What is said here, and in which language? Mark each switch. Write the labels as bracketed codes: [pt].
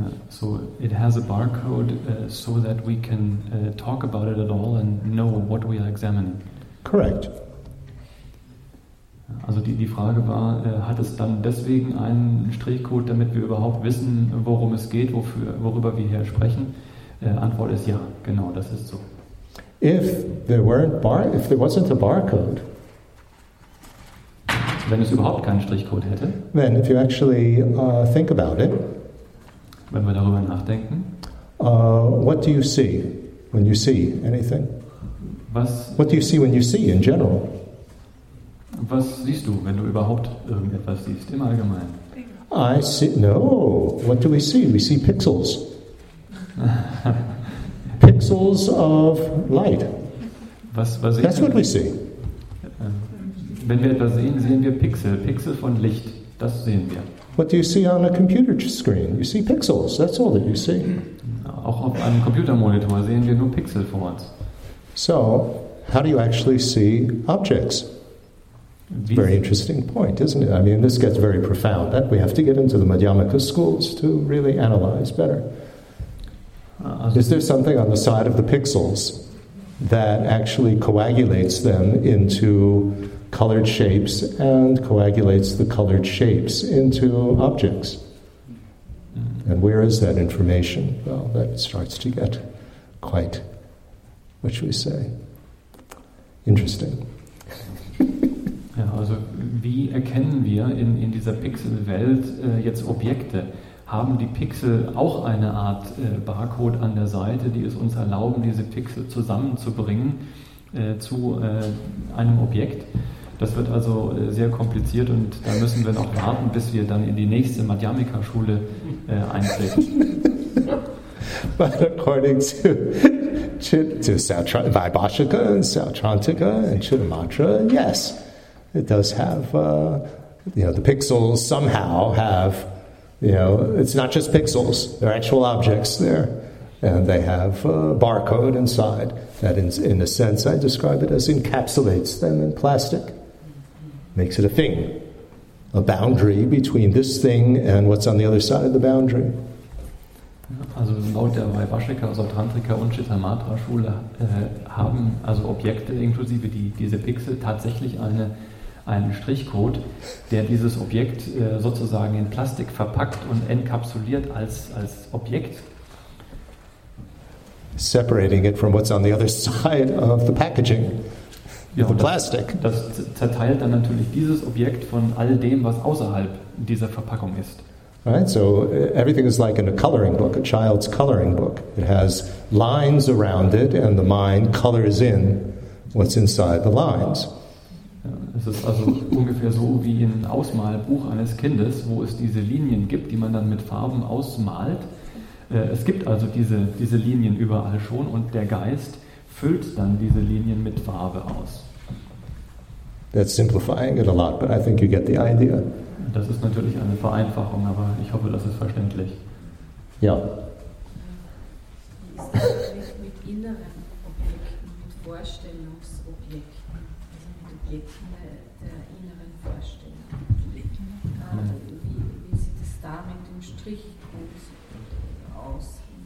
[en] So it has a barcode so that we can talk about it at all and know what we are examining. Correct. [de] Also die Frage war, hat es dann deswegen einen Strichcode, damit wir überhaupt wissen, worum es geht, worüber wir hier sprechen? Antwort ist ja, genau, das ist so. [en] If there wasn't a barcode, [de] wenn es überhaupt keinen Strichcode hätte, [en] then if you actually think about it, [de] wenn wir darüber nachdenken, [en] what do you see when you see anything? What do you see when you see in general? [de] Was siehst du, wenn du überhaupt irgendetwas siehst, im Allgemeinen? [en] I see, no, what do we see? We see pixels. Pixels of light. That's what we see. [de] Wenn wir etwas sehen, sehen wir Pixel. Pixel von Licht, das sehen wir. [en] What do you see on a computer screen? You see pixels, that's all that you see. [de] Auch auf einem Computermonitor sehen wir nur Pixel vor uns. [en] So, how do you actually see objects? It's a very interesting point, isn't it? I mean, this gets very profound. That we have to get into the Madhyamaka schools to really analyze better. Is there something on the side of the pixels that actually coagulates them into colored shapes and coagulates the colored shapes into objects? And where is that information? Well, that starts to get quite, what should we say, interesting. [de] Ja, also wie erkennen wir in dieser Pixelwelt jetzt Objekte? Haben die Pixel auch eine Art Barcode an der Seite, die es uns erlauben, diese Pixel zusammenzubringen zu einem Objekt? Das wird also sehr kompliziert und da müssen wir noch warten, bis wir dann in die nächste Madhyamika-Schule eintreten. [en] But according to Vaibhashika and Sautrantika and Chittamatra, yes, it does have, the pixels somehow have, it's not just pixels, they're actual objects there, and they have a barcode inside that in a sense I describe it as encapsulates them in plastic, makes it a thing, a boundary between this thing and what's on the other side of the boundary. [de] Also laut der Vaibhashika, Sautrantrika und Chittamatra-Schule haben also Objekte inklusive diese Pixel tatsächlich einen Strichcode, der dieses Objekt sozusagen in Plastik verpackt und enkapsuliert als Objekt. [en] Separating it from what's on the other side of the packaging, the plastic. [de] Das zerteilt dann natürlich dieses Objekt von all dem, was außerhalb dieser Verpackung ist. [en] Right, so everything is like in a coloring book, a child's coloring book. It has lines around it, and the mind colors in what's inside the lines. [de] Es ist also ungefähr so wie ein Ausmalbuch eines Kindes, wo es diese Linien gibt, die man dann mit Farben ausmalt. Es gibt also diese Linien überall schon, und der Geist füllt dann diese Linien mit Farbe aus. [en] That's simplifying it a lot, but I think you get the idea. [de] Das ist natürlich eine Vereinfachung, aber ich hoffe, das ist verständlich. Ja. Wie ist das vielleicht mit inneren Objekten, mit Vorstellungsobjekten, also mit Objekten der inneren Vorstellung? Wie sieht es da mit dem Strichcode aus?